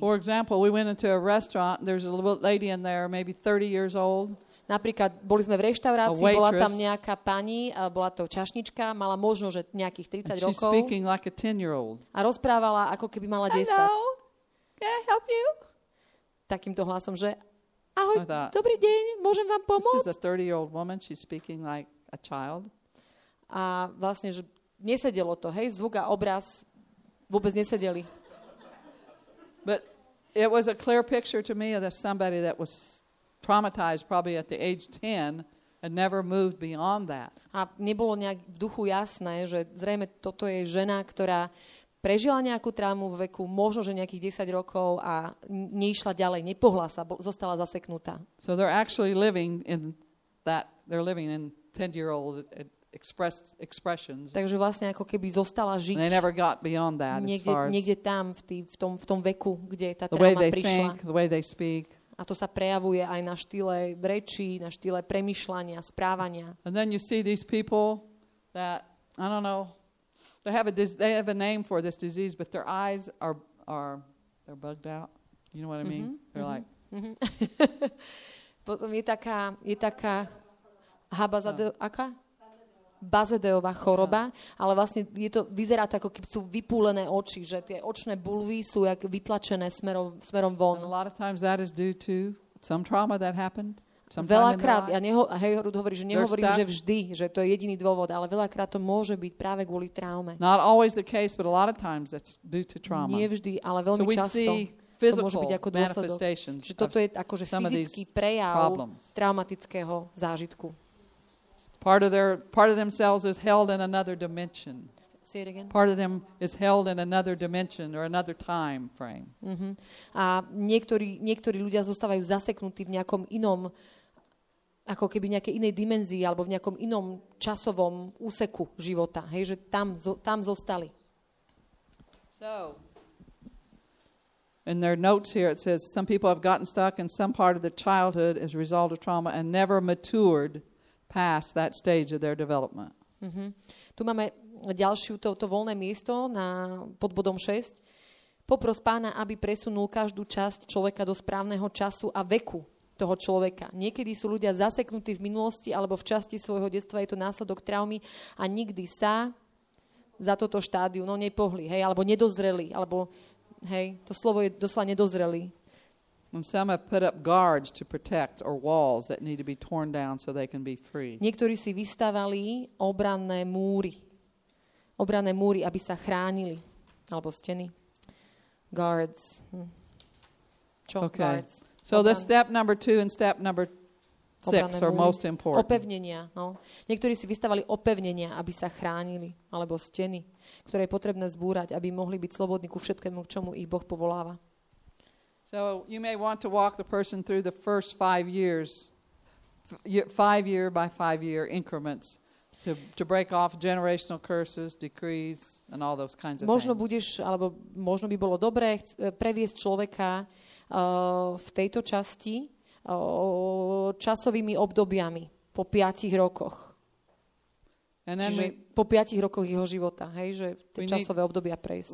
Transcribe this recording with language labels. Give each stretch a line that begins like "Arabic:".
English: For example, we went into a restaurant, there's a little lady in there, maybe 30 years old.
Slovak: Napríklad, boli sme v reštaurácii, bola tam nejaká pani, bola to čašnička, mala možno, že nejakých 30
English: and
Slovak: rokov.
English: She's speaking like a 10-year-old.
Slovak: A rozprávala, ako keby mala 10.
English: Hello, can I help you?
Slovak: Takýmto hlasom, že ahoj, dobrý deň, môžem vám pomôcť?
English: This is a 30-year-old woman, she's speaking like a child.
Slovak: A vlastne, že nesedelo to, hej, zvuk a obraz vôbec nesedeli.
English: But it was a clear picture to me of somebody that was traumatized probably at the age 10 and never moved beyond that.
Slovak: A nebolo nejak v duchu jasné, že zrejme toto je žena, ktorá prežila nejakú traumu v veku možno že nejakých 10 rokov a neišla ďalej, nepohla sa, zostala zaseknutá.
English: So they're actually living in that, they're living in 10-year-old expressions.
Slovak: Takže vlastne ako keby zostala žiť.
English: They never got beyond that
Slovak: niekde,
English: as far as
Slovak: niekde tam v tom veku, kde tá trauma prišla.
English: Think, the way they speak.
Slovak: A to sa prejavuje aj na štýle reči, na štýle premyšľania, správania.
English: And then you see these people that I don't know. They have a name for this disease, but their eyes are they're bugged out. You know what I mean? Mm-hmm. They're like
Slovak: Potom je taká haba za aká? Bazedeová choroba, ale vlastne je to, vyzerá to, ako keby sú vypúlené oči, že tie očné bulvy sú jak vytlačené smerom von.
English: A lot of times that is due to some trauma that happened.
Slovak: Veľakrát, hovorím, že vždy, že to je jediný dôvod, ale veľakrát to môže byť práve kvôli traume.
English: Not always the case, but a lot of times that's due to trauma.
Slovak: Nie vždy, ale veľmi často. To môže byť ako dôsledok, že toto je akože fyzický prejav traumatického zážitku.
English: Part of themselves is held in another dimension. Say it again. Part of them is held in another dimension or another time frame. Mm-hmm.
Slovak: A niektorí ľudia zostávajú zaseknutí v nejakom inom, ako keby nejakej inej dimenzii alebo v nejakom inom časovom úseku života. Hej, že tam zostali.
English: So, in their notes here it says, some people have gotten stuck in some part of their childhood as a result of trauma and never matured past that stage of their development. Mm-hmm.
Slovak: Tu máme ďalšiu to voľné miesto na pod bodom 6. Popros Pána, aby presunul každú časť človeka do správneho času a veku toho človeka. Niekedy sú ľudia zaseknutí v minulosti alebo v časti svojho detstva, je to následok traumy a nikdy sa za toto štádium nepohli, hej, alebo nedozreli, alebo hej, to slovo je doslova nedozreli.
English: And some have put up guards to protect or walls that need to be torn down so they can be free.
Slovak: Niektorí si vystavali obranné múry. Obranné múry, aby sa chránili, alebo steny.
English: Guards.
Slovak: Čo?
English: Okay. Guards. So the step number 2 and step number 6 are most important.
Slovak: Opevnenia, no. Niektorí si vystavali opevnenia, aby sa chránili, alebo steny, ktoré je potrebné zbúrať, aby mohli byť slobodní ku všetkému, k čomu ich Boh povoláva.
English: So you may want to walk the person through the first 5 years, 5 year by 5 year increments to break off generational curses, decrees and all those kinds of
Slovak: možno
English: things.
Slovak: Budeš, alebo možno by bolo dobré previesť človeka v tejto časti časovými obdobiami po 5 rokoch.
English: And then
Slovak: čiže po 5 rokoch jeho života, hej, že tie časové obdobia prejsť.